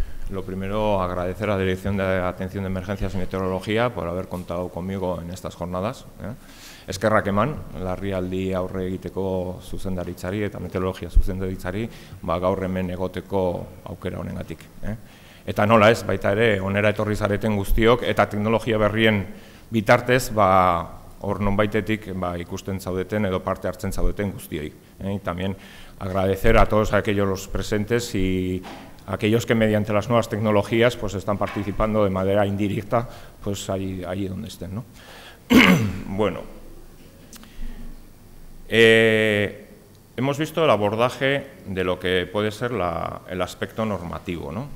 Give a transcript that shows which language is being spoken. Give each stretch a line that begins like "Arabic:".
Spanish: Lo primero, agradecer a la Dirección de Atención de Emergencias y Meteorología por haber contado conmigo en estas jornadas.
Basque: Eskerrak eman, larrialdi aurre egiteko zuzendaritzari eta meteorologia zuzendaritzari, gaur hemen egoteko aukera honengatik. Eta nola ez, baita ere, onera etorri zareten guztiok, eta teknologia berrien bitartez, hor nonbaitetik ikusten zaudeten edo parte hartzen zaudeten guztioi.
Spanish: Y también agradecer a todos aquellos presentes y aquellos que mediante las nuevas tecnologías pues están participando de manera indirecta pues allí donde estén, ¿no? Bueno, hemos visto el abordaje de lo que puede ser el aspecto normativo, ¿no?